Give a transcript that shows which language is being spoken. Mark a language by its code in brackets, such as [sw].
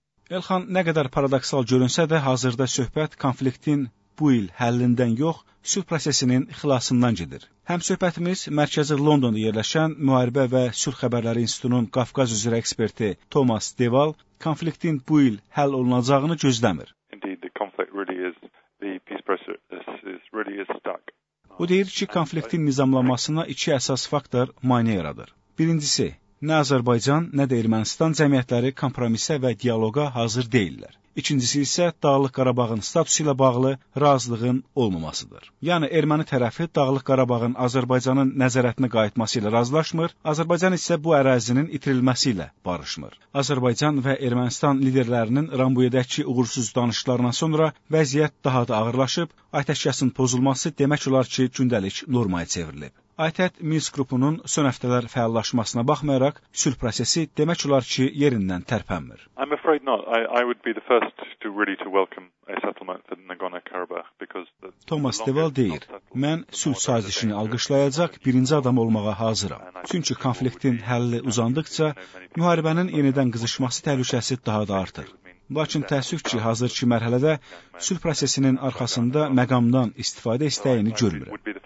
[az] Elxan, nə qədər paradoksal görünsə də, hazırda söhbət konfliktin bu il həllindən yox, sülh prosesinin xilasından gedir. Həm söhbətimiz mərkəzi Londonda yerləşən Müharibə və Sülh Xəbərləri İnstitutunun Qafqaz üzrə eksperti Thomas Deval konfliktin bu il həll olunacağını gözləmir. [en] Indeed, the conflict really is, the peace process really is stuck. [az] O deyir ki, konfliktin nizamlanmasına iki əsas faktor maneə yaradır. Birincisi, nə Azərbaycan, nə də Ermənistan cəmiyyətləri kompromisə və dialoqa hazır deyillər. İkincisi isə Dağlıq Qarabağın statusu ilə bağlı razılığın olmamasıdır. Yəni, erməni tərəfi Dağlıq Qarabağın Azərbaycanın nəzarətinə qayıtması ilə razılaşmır, Azərbaycan isə bu ərazinin itirilməsi ilə barışmır. Azərbaycan və Ermənistan liderlərinin Rambuyedəki uğursuz danışıqlarına sonra vəziyyət daha da ağırlaşıb, atəşkəsin pozulması demək olar ki, gündəlik normaya çevrilib. ATƏT Minsk qrupunun son həftələr fəallaşmasına baxmayaraq, sülh prosesi demək olar ki, yerindən tərpənmir. [en] I'm afraid not. I would be the first to really to welcome a settlement for Nagorno-Karabakh because the [az] Thomas Deval deyir, mən sülh sazişini alqışlayacaq birinci adam olmağa hazıram. Çünki konfliktin həlli uzandıqca, müharibənin yenidən qızışması təhlükəsi daha da artır. Lakin təəssüf ki, hazır ki mərhələdə sülh prosesinin arxasında məqamdan istifadə istəyini görmürəm.